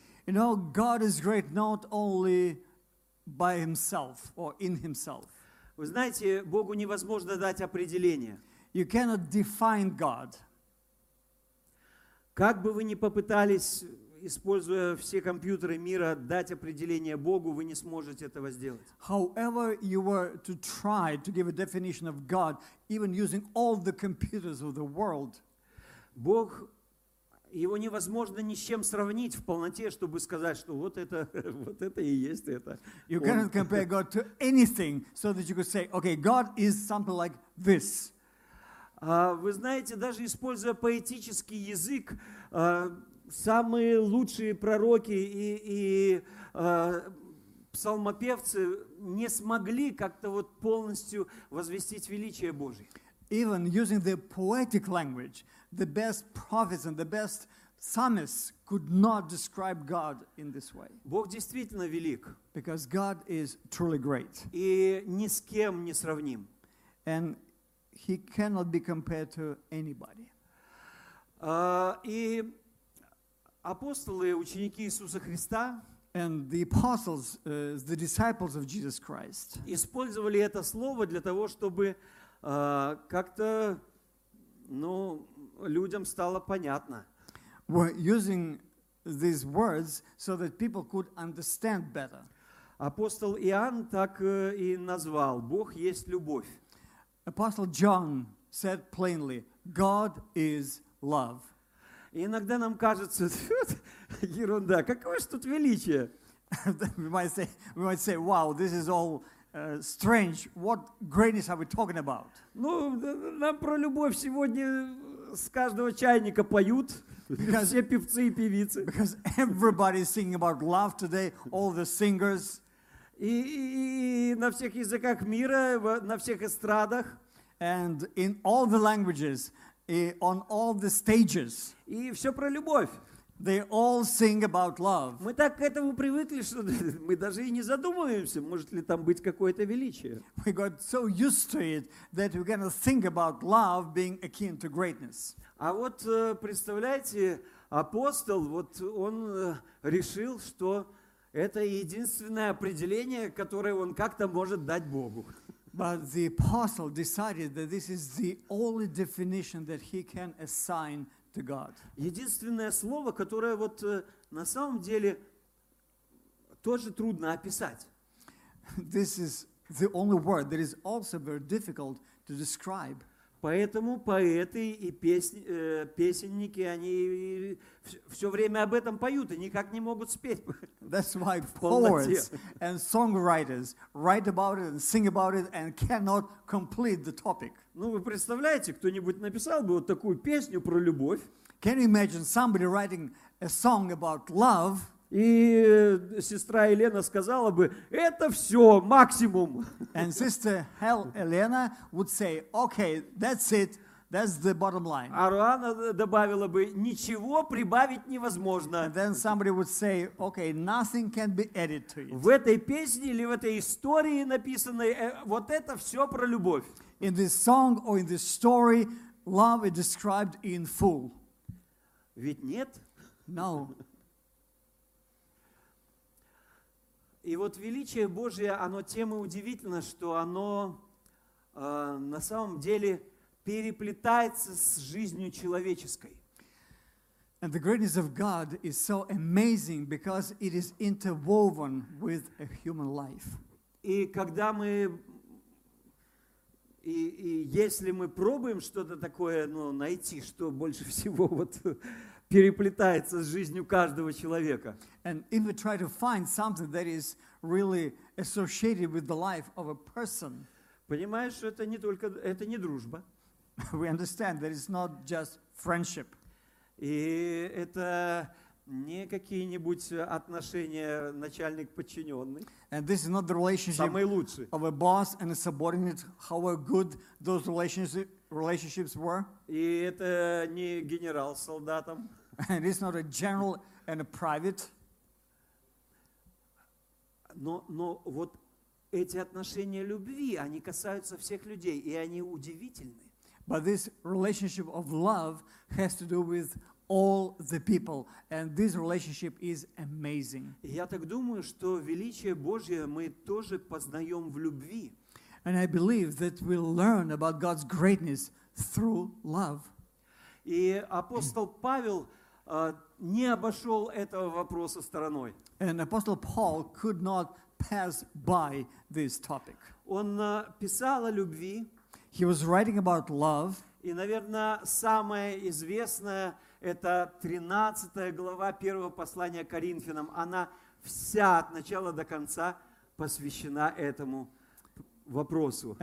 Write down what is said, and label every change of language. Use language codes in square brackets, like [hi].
[en] You know, God is great not only by himself or in himself. [ru] Вы знаете, Богу невозможно дать определение. [en] You cannot define God. [ru] Как бы вы ни попытались, используя все компьютеры мира, дать определение Богу, вы не сможете этого сделать. [en] However you were to try to give a definition of God, even using all the computers of the world, [ru] Бог, его невозможно ни с чем сравнить в полноте, чтобы сказать, что вот это и есть это. [en] You cannot compare God to anything so that you could say, okay, God is something like this. [ru] Вы знаете, даже используя поэтический язык, самые лучшие пророки и псалмопевцы не смогли как-то вот полностью возвестить величие Божие. [en] Even using the poetic language, the best prophets and the best psalmists could not describe God in this way. [ru] Бог действительно велик. [en] Because God is truly great. [ru] И ни с кем не сравним. [en] And he cannot be compared to anybody. [ru] И апостолы, ученики Иисуса Христа, [en] and the apostles, the disciples of Jesus Christ, [ru] использовали это слово для того, чтобы как-то, ну, людям стало понятно. [en] Were using these words so that people could understand better. [ru] Апостол Иоанн так и назвал: Бог есть любовь. [en] Apostle John said plainly, God is love. [ru] И иногда нам кажется, ерунда, какое же тут величие? [en] we might say, wow, this is all strange. What greatness are we talking about? [ru] Ну, нам про любовь сегодня с каждого чайника поют. Все певцы и певицы. [en] Because everybody is singing about love today, all the singers. [ru] И на всех языках мира, на всех эстрадах. [en] And in all the languages, on all the stages. [ru] И все про любовь. [en] They all sing about love. [ru] Мы так к этому привыкли, что мы даже и не задумываемся, может ли там быть какое-то величие. [en] We got so used to it that we're gonna think about love being akin to greatness. [ru] А вот представляете, апостол, вот он решил, что это единственное определение, которое он как-то может дать Богу. [en] But the apostle decided that this is the only definition that he can assign to God. [ru] Единственное слово, которое вот на самом деле тоже трудно описать. [en] This is the only word that is also very difficult to describe. [ru] Поэтому поэты и песенники, они все время об этом поют и никак не могут спеть. [en] That's why poets and songwriters write about it and sing about it and cannot complete the topic. [ru] Ну, вы представляете, кто-нибудь написал бы вот такую песню про любовь? [en] Can you imagine somebody writing a song about love? [ru] И сестра Елена сказала бы: это все, максимум. [en] And sister Elena would say, okay, that's it, that's the bottom line. [ru] А Руана добавила бы: ничего прибавить невозможно. [en] And then somebody would say, okay, nothing can be added to it. [ru] В этой песне или в этой истории написанной вот это все про любовь. [en] In this song or in this story, love is described in full. [ru] Ведь нет? [en] No. [ru] И вот величие Божие, оно тем и удивительно, что оно на самом деле переплетается с жизнью человеческой. [en] And the greatness of God is so amazing because it is interwoven with a human life. [ru] И когда мы и если мы пробуем что-то такое, ну, найти, что больше всего вот переплетается с жизнью каждого человека. [en] And if we try to find something that is really associated with the life of a person. [ru] Понимаешь, это не только это не дружба. [en] We understand that it's not just friendship. [ru] И это не какие-нибудь отношения начальник-подчиненный. [en] And this is not the relationship of a boss and a subordinate, how good those relationships were. [ru] И это не генерал с солдатом. [en] And it's not a general and a private. [ru] Но вот эти отношения любви, они касаются всех людей, и они удивительны. [en] But this relationship of love has to do with all the people, and this relationship is amazing. [ru] Я так думаю, что величие Божье мы тоже познаем в любви. [en] And I believe that we learn about God's greatness through love. [ru] И апостол Павел не обошел этого вопроса стороной. [en] And Apostle Paul could not pass by this topic. [ru] Он писал о любви. [en] He was writing about love. [ru] И, наверное, самое известное это 13 глава 1 послания Коринфянам. Она вся от начала до конца посвящена этому вопросу.